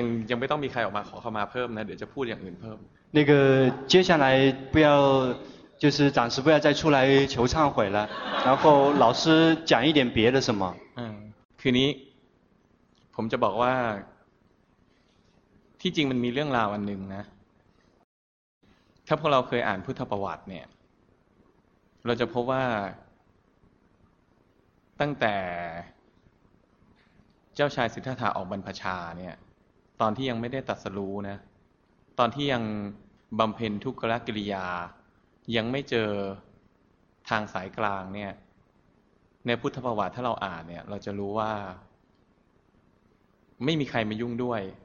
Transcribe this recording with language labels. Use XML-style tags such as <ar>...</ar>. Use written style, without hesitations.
<th>ยังไม่ต้องมีใครออกมาขอเข้ามาเพิ่มนะเดี๋ยวจะพูดอย่างอื่นเพิ่ม</th> <zh>那个接下来不要就是暂时不要再出来求忏悔了然后老师讲一点别的什么</zh> <th>คือนี้ผมจะบอกว่าที่จริงมันมีเรื่องราวอันหนึ่งนะถ้าพวกเราเคยอ่านพุทธประวัติเนี่ยเราจะพบว่า ตั้งแต่เจ้าชายสิทธัตถะออกบรรพชาเนี่ยตอนที่ยังไม่ได้ตรัสรู้นะตอนที่ยังบำเพ็ญทุกขกิริยายังไม่เจอทางสายกลางเนี่ยในพุทธประวัติถ้าเราอ่านเนี่ยเราจะรู้ว่าไม่มีใครมายุ่งด้วย</th>